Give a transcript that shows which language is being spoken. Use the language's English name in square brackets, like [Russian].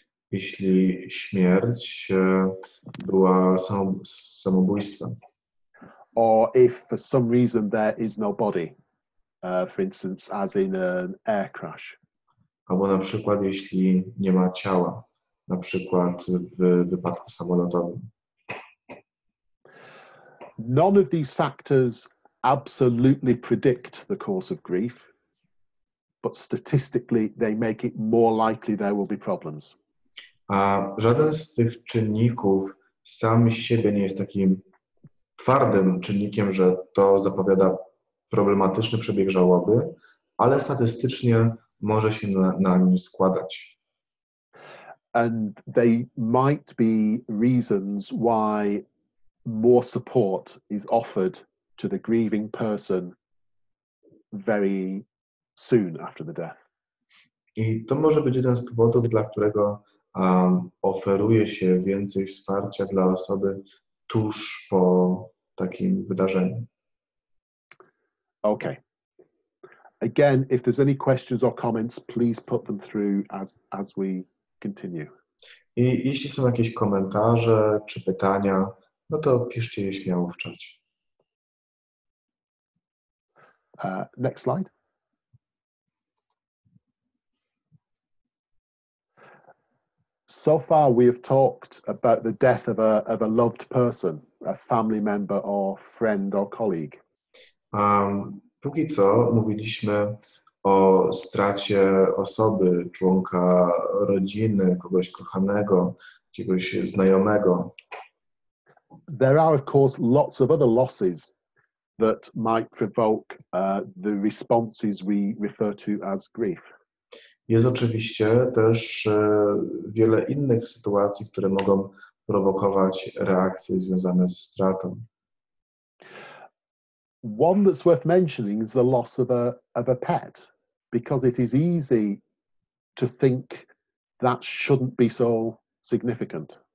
[Polish] Jeśli śmierć była samobójstwem. [English] Or if for some reason there is no body, for instance, as in an air crash. [Polish] Albo na przykład jeśli nie ma ciała, na przykład w wypadku samolotowym. [English] None of these factors absolutely predict the course of grief, but statistically they make it more likely there will be problems. [Polish] Żaden z tych czynników sam z siebie nie jest takim twardym czynnikiem, że to zapowiada problematyczny przebieg żałoby, ale statystycznie może się na nim składać. [English] And they might be reasons why more support is offered to the grieving person very soon after the death. [Polish] I to może być jeden z powodów, dla którego oferuje się więcej wsparcia dla osoby tuż po takim wydarzeniu. [English] Okay. Again, if there's any questions or comments, please put them through as we continue. [Polish] I jeśli są jakieś komentarze czy pytania, no to piszcie je śmiało w czacie. [English] Next slide. So far we have talked about the death of a loved person, a family member or friend or colleague. [Polish] Póki co mówiliśmy o stracie osoby, członka rodziny, kogoś kochanego, jakiegoś znajomego. [English] There are of course lots of other losses that might provoke the responses we refer to as grief. [Polish] Jest oczywiście też wiele innych sytuacji, które mogą prowokować reakcje związane ze stratą. [English] One that's worth mentioning is the loss of a pet, because it is easy to think that shouldn't be so significant.